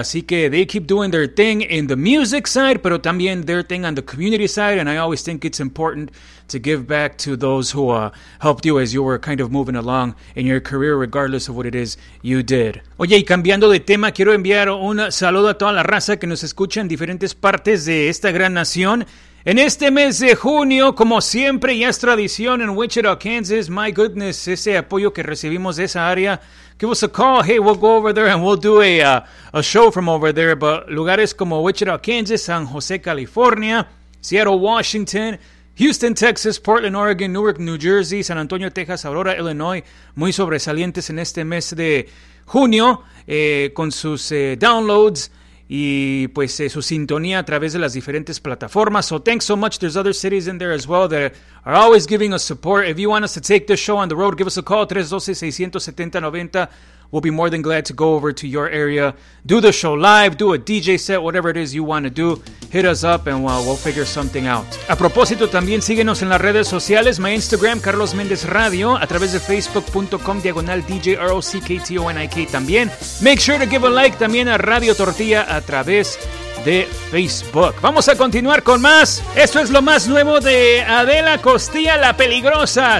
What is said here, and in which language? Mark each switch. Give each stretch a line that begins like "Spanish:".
Spanish: Así que
English: they keep doing their thing in the music side,
Spanish: pero también
English: their thing on the community side. And I always think it's important to give back to those who helped you as you were kind of moving along in your career, regardless of what it is you did.
Spanish: Oye, y cambiando de tema, quiero enviar un saludo a toda la raza que nos escucha en diferentes partes de esta gran nación. En este mes de junio, como siempre, ya es tradición en Wichita, Kansas.
English: My goodness,
Spanish: ese apoyo que recibimos de esa área.
English: Give us a call. Hey, we'll go over there and we'll do a show from over there.
Spanish: But lugares como Wichita, Kansas, San Jose, California, Seattle, Washington, Houston, Texas, Portland, Oregon, Newark, New Jersey, San Antonio, Texas, Aurora, Illinois. Muy sobresalientes en este mes de junio con sus downloads. Y pues su sintonía a través de las diferentes plataformas.
English: So thanks so much. There's other cities in there as well that are always giving us support. If you want us to take the show on the road, give us a call, 312-670-90. We'll be more than glad to go over to your area, do the show live, do a DJ set, whatever it is you want to do. Hit us up and we'll figure something out.
Spanish: A propósito, también síguenos en las redes sociales. My Instagram, Carlos Méndez Radio, a través de facebook.com/DJROCKTONIK también.
English: Make sure to give a like
Spanish: también a
English: Radio Tortilla
Spanish: a través de
English: Facebook.
Spanish: Vamos a continuar con más. Esto es lo más nuevo de Adela Costilla, La Peligrosa.